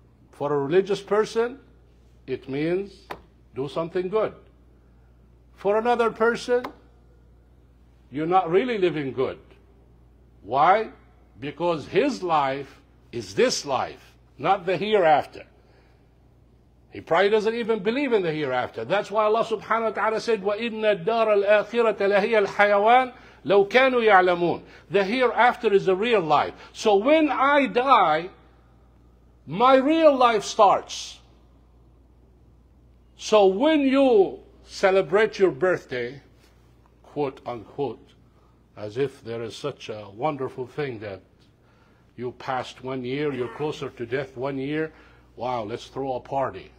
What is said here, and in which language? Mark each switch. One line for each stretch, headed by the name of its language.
English: For a religious person, it means do something good. For another person, you're not really living good. Why? Because his life is this life, not the hereafter. He probably doesn't even believe in the hereafter. That's why Allah subhanahu wa ta'ala said,
Arabic: وَإِنَّ الدَّارَ الْآخِرَةَ لَهِيَ الْحَيَوَانِ لَوْ كَانُوا يَعْلَمُونَ.
English: The hereafter is a real life. So when I die, my real life starts. So when you celebrate your birthday, quote unquote, as if there is such a wonderful thing that you passed 1 year, you're closer to death 1 year, wow, let's throw a party.